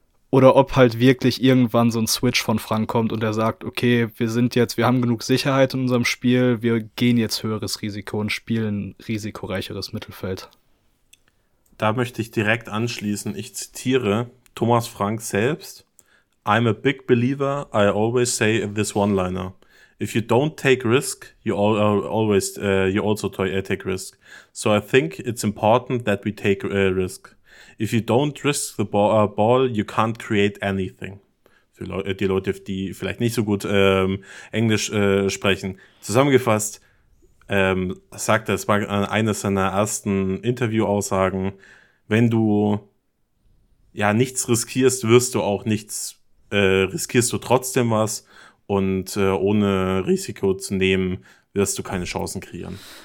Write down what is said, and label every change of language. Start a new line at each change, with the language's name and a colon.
German: Oder ob halt wirklich irgendwann so ein Switch von Frank kommt und er sagt, okay, wir haben genug Sicherheit in unserem Spiel, wir gehen jetzt höheres Risiko und spielen risikoreicheres Mittelfeld. Da möchte ich direkt anschließen. Ich zitiere Thomas Frank selbst.
English: I'm a big believer. I always say this one-liner. If you don't take risk, you also take risk. So I think it's important that we take a risk. If you don't risk the ball, you can't create anything.
German: Für die Leute, die vielleicht nicht so gut Englisch sprechen. Zusammengefasst. Sagt er, es war eines seiner ersten Interview-Aussagen, wenn du ja nichts riskierst, wirst du auch nichts, riskierst du trotzdem was und ohne Risiko zu nehmen, wirst du keine Chancen kreieren.